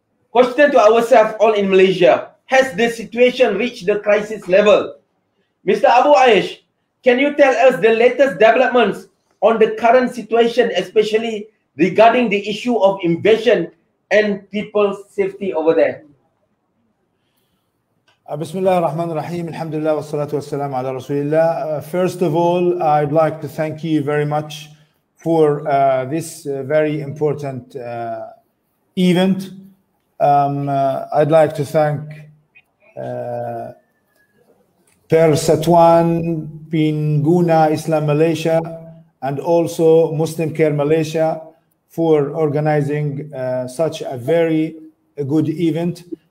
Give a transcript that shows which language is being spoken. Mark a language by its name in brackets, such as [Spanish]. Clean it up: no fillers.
[English] Question to ourselves all in Malaysia, has the situation reached the crisis level? Mr. Abu Aish, can you tell us the latest developments on the current situation, especially regarding the issue of invasion and people's safety over there? [Arabic] بسم الله الرحمن الرحيم الحمد لله والصلاة والسلام على رسول الله. [English] First of all, I'd like to thank you very much for this very important event. I'd like to thank Persatuan Pengguna Islam Malaysia and also Muslim Care Malaysia for organizing such a very good event.